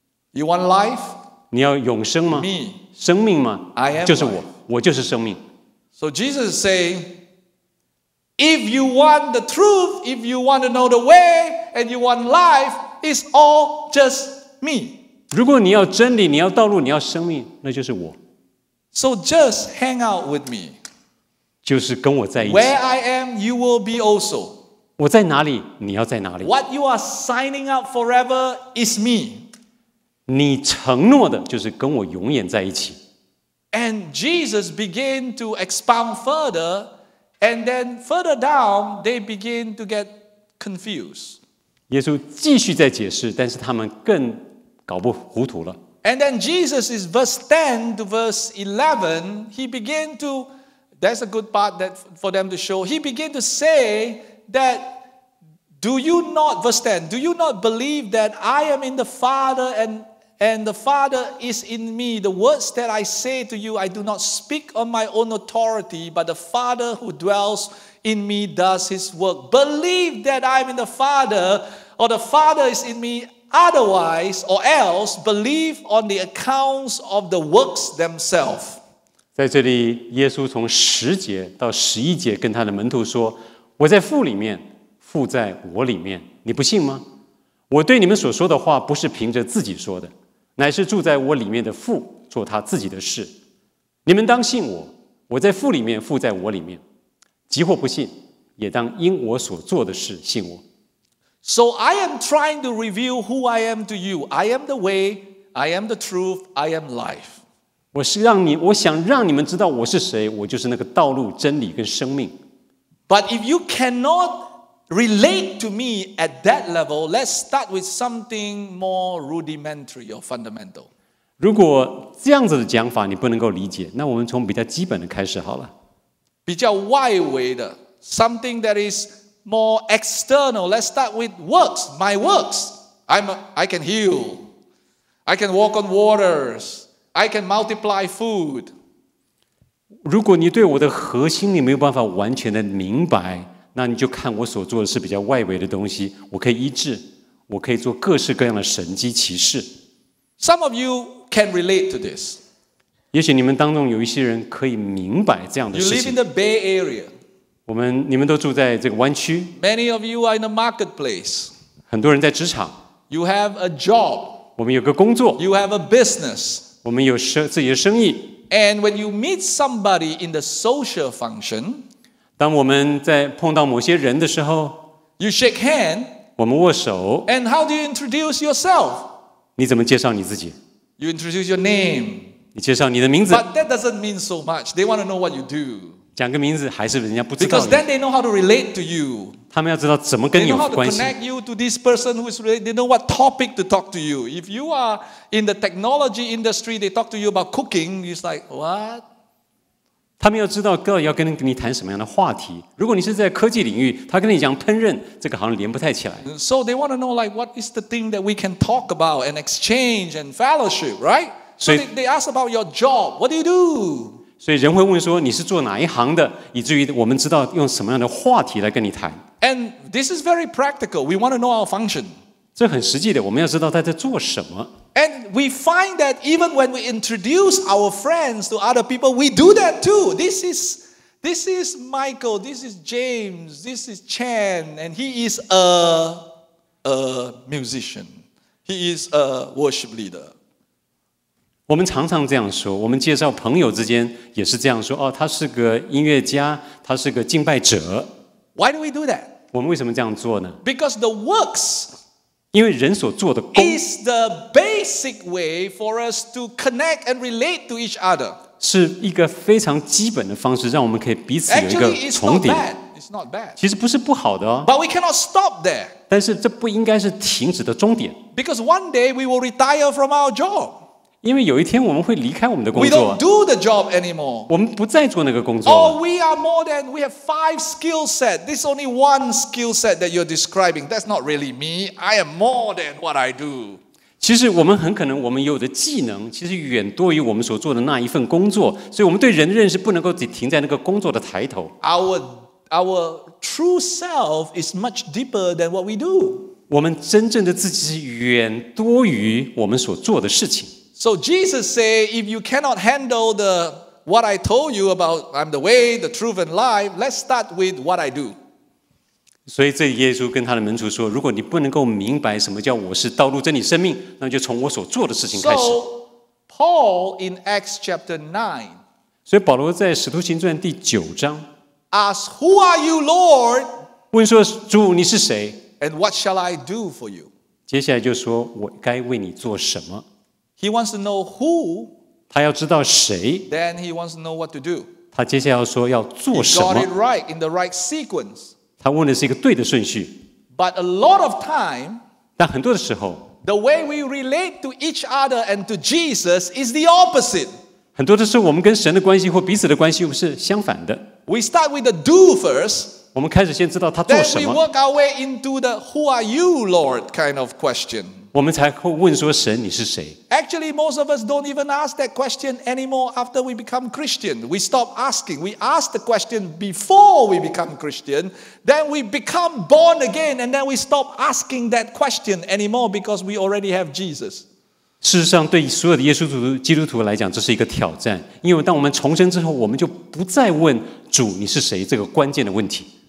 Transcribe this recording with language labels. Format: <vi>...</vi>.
<en>You want life?</en> <zh>你要永生吗</zh> <en>Me</en> <zh>生命吗</zh> <en>I am</en> <zh>就是我</zh> <en>life.</en> <zh>我就是生命</zh> <en>So Jesus is saying If you want the truth If you want to know the way And you want life It's all just me</en> <zh>如果你要真理你要道路你要生命那就是我</zh> <en>So just hang out with me</en> <zh>就是跟我在一起。</zh> <en>Where I am, you will be also.</en> <zh>我在哪里，你要在哪里。</zh> <en>What you are signing up forever is me.</en> <zh>你承诺的就是跟我永远在一起。</zh> <en>And Jesus began to expound further, and then further down, they begin to get confused.</en> <zh>耶稣继续在解释，但是他们更搞不糊涂了。</zh> <en>And then Jesus is verse 10 to verse 11, he began toThat's a good part that for them to show. He began to say that, do you not, verse 10, do you not believe that I am in the Father and the Father is in me? The words that I say to you, I do not speak on my own authority, but the Father who dwells in me does his work. Believe that I am in the Father or the Father is in me, otherwise or else, believe on the accounts of the works themselves.</en> <zh>在这里耶稣从十节到十一节跟他的门徒说我在父里面父在我里面你不信吗我对你们所说的话不是凭着自己说的乃是住在我里面的父做他自己的事你们当信我我在父里面父在我里面即或不信也当因我所做的事信我</zh> <en>So I am trying to reveal who I am to you I am the way I am the truth I am life</en> <zh>我想让你们知道我是谁，我就是那个道路、真理跟生命。</zh> <en>But if you cannot relate to me at that level, let's start with something more rudimentary or fundamental.</en> <zh>如果这样子的讲法你不能够理解，那我们从比较基本的开始好了。比较外围的</zh> <en>，something that is more external. Let's start with works. My works. I can heal. I can walk on waters. I can multiply food.</en> <zh>如果你对我的核心你没有办法完全的明白，那你就看我所做的是比较外围的东西。我可以医治，我可以做各式各样的神迹奇事。</zh> <en>Some of you can relate to this.</en> <zh>也许你们当中有一些人可以明白这样的事情。</zh> <en>You live in the Bay Area.</en> <zh>你们都住在这个湾区。</zh> <en>Many of you are in the marketplace.</en> <zh>很多人在职场。</zh> <en>You have a job.</en> <zh>我们有个工作。</zh> <en>You have a business.</en> <zh>我们有自己的生意。</zh> <en>And when you meet somebody in the social function,</en> <zh>当我们在碰到某些人的时候</zh> <en>you shake hand,</en> <zh>我们握手。</zh> <en>And how do you introduce yourself?</en> <zh>你怎么介绍你自己</zh> <en>You introduce your name.</en> <zh>你介绍你的名字。</zh> <en>But that doesn't mean so much. They want to know what you do.</en> <zh>讲个名字还是人家不知道你。</zh> <en>Because then they know how to relate to you.</en> <zh>他们要知道怎么跟你有关系。</zh> <en>They know how to connect you to this person who is related. They know what topic to talk to you. If you are in the technology industry, they talk to you about cooking. It's like what?</en> <zh>他们要知道要跟你谈什么样的话题。如果你是在科技领域，他跟你讲烹饪，这个好像连不太起来。</zh> <en>So they want to know like what is the thing that we can talk about and exchange and fellowship, right? So they ask about your job. What do you do?</en> <zh>所以人会问说你是做哪一行的，以至于我们知道用什么样的话题来跟你谈。</zh> <en>And this is very practical. We want to know our function.</en> <zh>这很实际的，我们要知道他在做什么。</zh> <en>And we find that even when we introduce our friends to other people, we do that too. This is Michael, this is James, this is Chen, and he is a musician. He is a worship leader.</en> <zh>我们常常这样说，我们介绍朋友之间也是这样说，哦，他是个音乐家，他是个敬拜者。</zh> <en>Why do we do that?</en> <zh>我们为什么这样做呢？</zh> <en>Because the works...</en> <zh>因为人所做的工</zh> <en>is the basic way for us to connect and relate to each other.</en> <zh>是一个非常基本的方式，让我们可以彼此有一个重叠。</zh> <en>Actually, it's not bad. It's not bad.</en> <zh>其实不是不好的哦。</zh> <en>But we cannot stop there.</en> <zh>但是这不应该是停止的终点。</zh> <en>Because one day we will retire from our job.</en> <zh>因为有一天我们会离开我们的工作。</zh> <en>We don't do the job anymore.</en> <zh>我们不再做那个工作了。</zh> <en>Oh, we are more than we have five skill set. This is only one skill set that you're describing. That's not really me. I am more than what I do.</en> <zh>其实我们很可能我们有的技能其实远多于我们所做的那一份工作，所以我们对人的认识不能够只停在那个工作的抬头。</zh> <en>Our true self is much deeper than what we do.</en> <zh>我们真正的自己是远多于我们所做的事情。</zh> <en>So Jesus said, if you cannot handle what I told you about I'm the way, the truth and life, let's start with what I do.</en> <zh>所以这耶稣跟他的门徒说，如果你不能够明白什么叫我是道路、真理、生命，那就从我所做的事情开始。</zh> <en>So Paul in Acts chapter 9.</en> <zh>所以保罗在使徒行传第九章</zh> <en>ask, who are you, Lord?</en> <zh>问说主你是谁？</zh> <en>And what shall I do for you?</en> <zh>接下来就说我该为你做什么？</zh> <en>He wants to know who.</en> <zh>他要知道谁。</zh> <en>Then he wants to know what to do.</en> <zh>他接下来要说要做什么。</zh> <en>He got it right in the right sequence.</en> <zh>他问的是一个对的顺序。</zh> <en>But a lot of time.</en> <zh>但很多的时候。</zh> <en>The way we relate to each other and to Jesus is the opposite.</en> <zh>很多的时候，我们跟神的关系或彼此的关系是相反的。</zh> <en>We start with the do first.</en> <zh>我们开始先知道他做什么。</zh> <en>Then we work our way into the who are you, Lord, kind of question.</en> <zh>我们才会问说神你是谁。</zh> <en>Actually, most of us don't even ask that question anymore after we become Christian. We stop asking. We ask the question before we become Christian. Then we become born again, and then we stop asking that question anymore because we already have Jesus.</en> <zh>事实上，对所有的耶稣基督徒来讲，这是一个挑战。因为当我们重生之后，我们就不再问主你是谁这个关键的问题。</zh>